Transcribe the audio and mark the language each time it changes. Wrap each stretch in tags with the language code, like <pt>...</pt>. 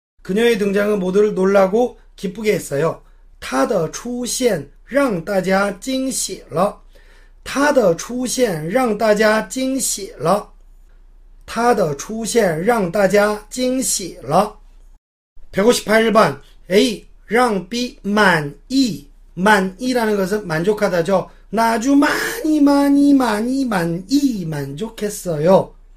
<ko>그녀의 등장은 모두를 놀라고 기쁘게 했어요.</ko> <zh>她的出现让大家惊喜了.她的出现让大家惊喜了.她的出现让大家惊喜了.</zh> <ko>158번 A 让 B 만이. 만이라는 것은 만족하다죠. 나 아주 많이 많이 많이 많이 만족했어요.</ko>